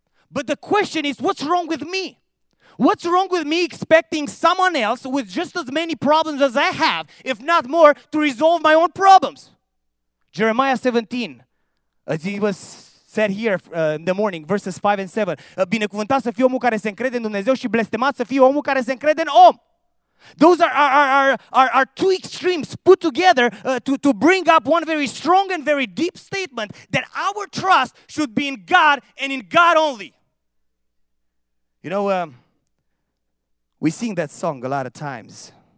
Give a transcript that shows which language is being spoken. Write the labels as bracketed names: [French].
[English] But the question is, what's wrong with me? What's wrong with me expecting someone else with just as many problems as I have, if not more, to resolve my own problems? Jeremiah 17, as it was said here in the morning, verses 5 and 7. [Romanian] Binecuvântat să fie omul care se încrede în Dumnezeu și blestemat să fie omul care se încrede în om. [English] Those are two extremes put together to bring up one very strong and very deep statement that our trust should be in God and in God only. You know, we sing that song a lot of times.